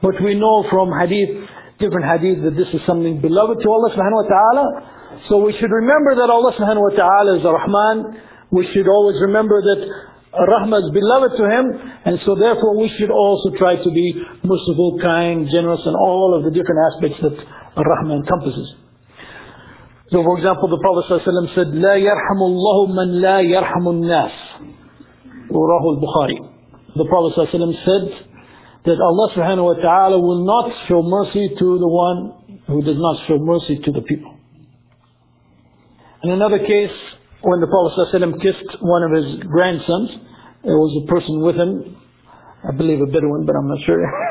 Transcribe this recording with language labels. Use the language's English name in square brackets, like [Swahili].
[English] But we know from hadith, different hadith, that this is something beloved to Allah subhanahu wa ta'ala. So we should remember that Allah subhanahu wa ta'ala is Ar-Rahman. We should always remember that Rahmah is beloved to him, and so therefore we should also try to be merciful, kind, generous, and all of the different aspects that Rahmah encompasses. So for example, the Prophet ﷺ said, [Arabic] لَا يَرْحَمُ اللَّهُ مَنْ لَا يَرْحَمُ النَّاسِ. رواه البخاري. [English] The Prophet ﷺ said that Allah subhanahu wa ta'ala will not show mercy to the one who does not show mercy to the people. In another case, when the Prophet ﷺ kissed one of his grandsons, there was a person with him, I believe a Bedouin, but I'm not sure.